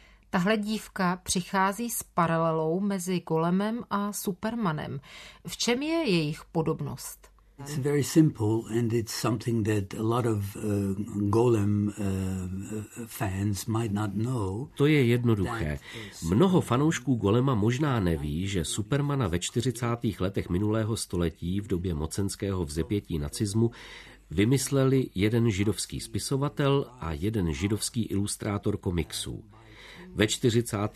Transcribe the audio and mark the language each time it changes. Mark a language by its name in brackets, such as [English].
[Czech] Tahle dívka přichází s paralelou mezi golemem a Supermanem. V čem je jejich podobnost? [English] It's very simple and it's something that a lot of golem fans might not know. [Czech] To je jednoduché. Mnoho fanoušků golema možná neví, že Supermana ve 40. letech minulého století v době mocenského vzepětí nacismu vymysleli jeden židovský spisovatel a jeden židovský ilustrátor komiksů. Ve 40.